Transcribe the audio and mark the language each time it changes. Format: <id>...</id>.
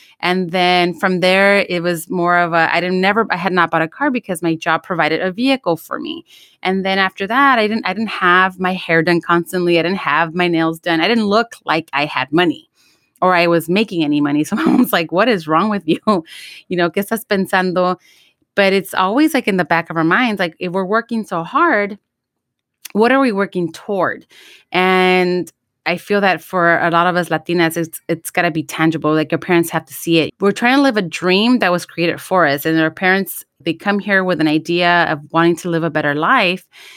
<en>And then from there, it was more of a, I had not bought a car because my job provided a vehicle for me. And then after that, I didn't have my hair done constantly. I didn't have my nails done. I didn't look like I had money. Or I was making any money. So I was like, what is wrong with you? You know,</en> <es>¿qué estás pensando?</es> <en>But it's always like in the back of our minds, like if we're working so hard, what are we working toward? And I feel that for a lot of us Latinas, it's got to be tangible. Like your parents have to see it. We're trying to live a dream that was created for us. And our parents, they come here with an idea of wanting to live a better life.</en>